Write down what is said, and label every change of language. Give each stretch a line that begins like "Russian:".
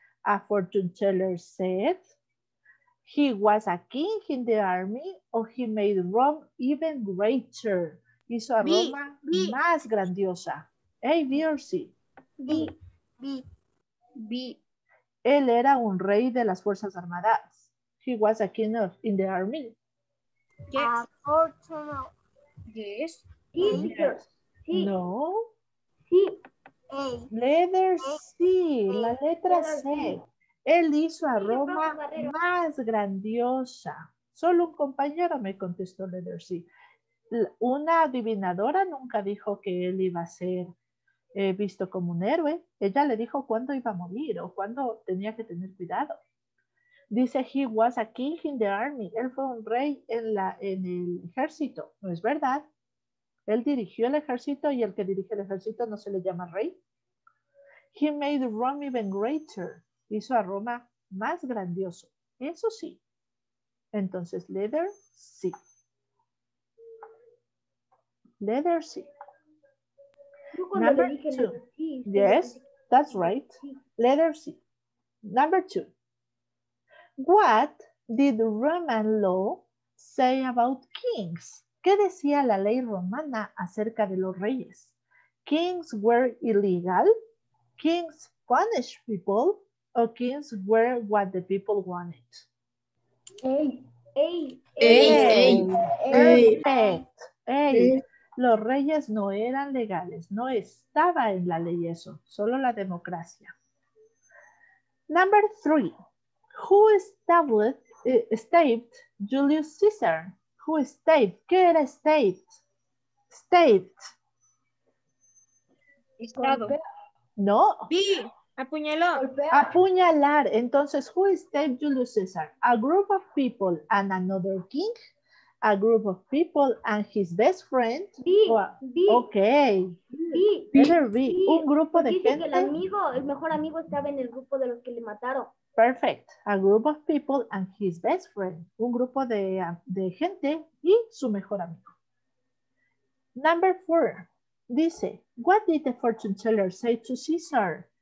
English: A fortune teller said, he was a king in the army, or he made Rome even greater.
Spanish: Hizo a Roma más grandiosa. A, B or C?
English: B. B. B.
Spanish: Él era un rey de las fuerzas armadas.
English: He was a king of, in the army. Yes. A fortune teller. Yes. No. He. Letter C,
Spanish: la letra C. Él hizo a Roma más grandiosa. Solo un compañero me contestó
English: Letter C.
Spanish: Una adivinadora nunca dijo que él iba a ser visto como un héroe. Ella le dijo cuándo iba a morir o cuándo tenía que tener cuidado.
English: Dice, he was a king in the army.
Spanish: Él fue un rey en el ejército. ¿No es verdad? Él dirigió el ejército y el que dirige el ejército no se le llama rey.
English: He made Rome even greater.
Spanish: Hizo a Roma más grandioso. Eso sí. Entonces,
English: letter C. Letter C. Number two. Yes, that's right. Letter C. Number two. What did Roman law say about kings?
Spanish: ¿Qué decía la ley romana acerca de los reyes?
English: Kings were illegal. Kings punish people, or kings wear what the people wanted? Perfect.
Spanish: Los reyes no eran legales, no estaba en la ley eso, solo la democracia.
English: Number three, who staved Julius Caesar? Who staved?
Spanish: ¿Qué era staved?
English: Staved. No.
Spanish: B. Apuñaló. Apuñalar. Entonces,
English: who staved Julius Caesar? A group of people and another king. A group of people and his best friend. B. Oh, B. Ok. B. Peter B.
Spanish: B. Un grupo de gente. Dice que el mejor amigo estaba en el grupo de los que le mataron.
English: Perfect. A group of people and his best friend.
Spanish: Un grupo de gente y su mejor amigo.
English: Number four. Dice, what did the fortune teller say to Caesar?